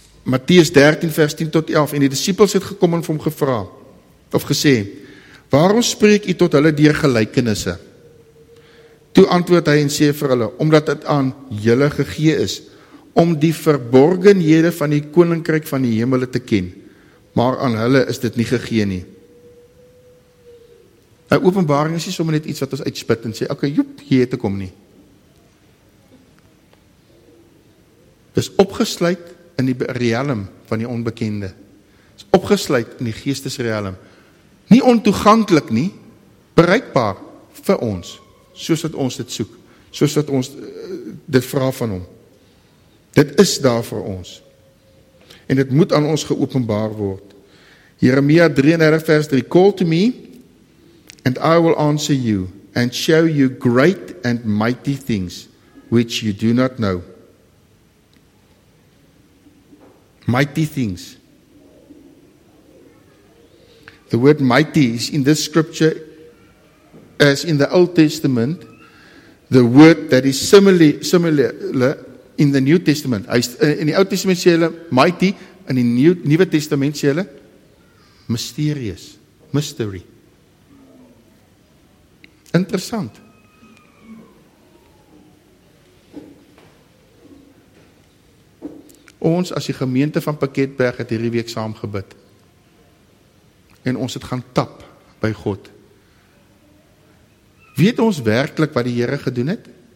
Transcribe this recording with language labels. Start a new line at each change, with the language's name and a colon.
Afrikaans: Matteus 13 vers 10 tot 11, en die disippels het gekom en vir hom gevra, of gesê, waarom spreek u tot hulle deur gelykenisse? Toe antwoord hy en sê vir hulle, omdat het aan julle gegee is, om die verborgenhede van die koninkryk van die hemele te ken, maar aan hulle is dit nie gegee nie. Een openbaring is nie sommer net iets wat ons uitspit en sê, okay, joep, hier het ek kom nie. Dis opgesluit in die realm van die onbekende. Dis opgesluit in die geestesrealm. Nie ontoeganklik nie, bereikbaar vir ons, soos dat ons dit soek, soos dat ons dit vra van hom. Dit is daar vir ons. En dit moet aan ons geopenbaar word. Jeremia 33 vers 3,
English: call to me, and I will answer you, and show you great and mighty things, which you do not know. Mighty things. The word mighty is in this scripture, as in the Old Testament, the word that is similar in the New Testament.
Afrikaans: In die Oude Testament sê hulle mighty, in die Nuwe Testament sê hulle mysterious, mystery. Interessant. Ons as die gemeente van Piketberg het hierdie week saam gebid. En ons het gaan tap by God. Weet ons werklik wat die Here gedoen het?